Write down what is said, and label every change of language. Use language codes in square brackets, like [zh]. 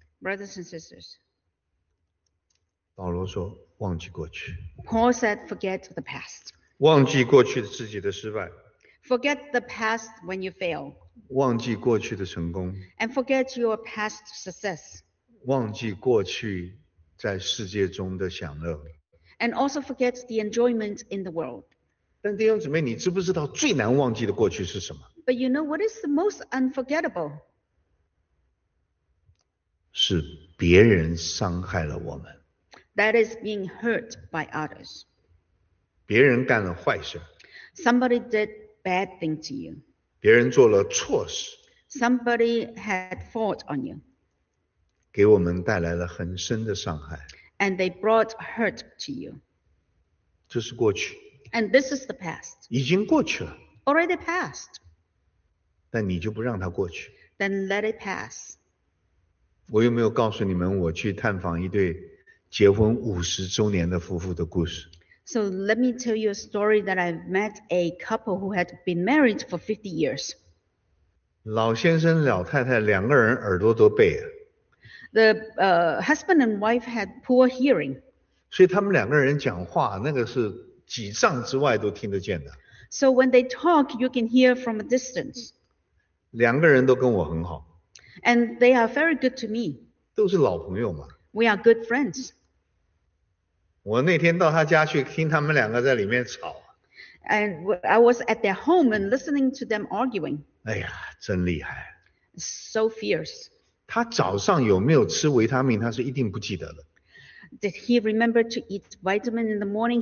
[en] Brothers and sisters. [zh] 保罗说：“忘记过去。” [en] Paul said, "Forget the past." [zh] 忘记过去自己的失败。 [en] Forget the past when you fail. [zh] 忘记过去的成功。 [en] And forget your past success. [zh] 忘记过去在世界中的享乐。 [en] And also forget the enjoyment in the world. [zh] 但弟兄姊妹，你知不知道最难忘记的过去是什么？ [en] But you know what is the most unforgettable? [zh] 是别人伤害了我们。 [en] That is being hurt by others. [zh] 别人干了坏事。 [en] Somebody did bad thing to you. [zh] 别人做了错事。 [en] Somebody had fault on you. [zh] 给我们带来了很深的伤害。 [en] And they brought hurt to you. [zh] 这是过去。 [en] And this is the past. [zh] 已经过去了。 [en] Already passed. [zh] 但你就不让它过去。 [en] Then let it pass. [zh] 我有没有告诉你们我去探访一对结婚50周年的夫妇的故事。 [en] So let me tell you a story that I met a couple who had been married for 50 years. [zh] 老先生老太太两个人耳朵都背啊。 [en] The husband and wife had poor hearing. [zh] 所以他们两个人讲话那个是几丈之外都听得见的。 [en] So when they talk, you can hear from a distance. [zh] 两个人都跟我很好。 [en] And they are very good to me. [zh] 都是老朋友嘛。 [en] We are good friends. [zh] 我那天到他家去听他们两个在里面吵。 [en] And I was at their home and listening to them arguing. [zh] 哎呀，真厉害。 [en] So fierce. [zh] 他早上有没有吃维他命，他是一定不记得的。 [en] Did he remember to eat vitamin in the morning?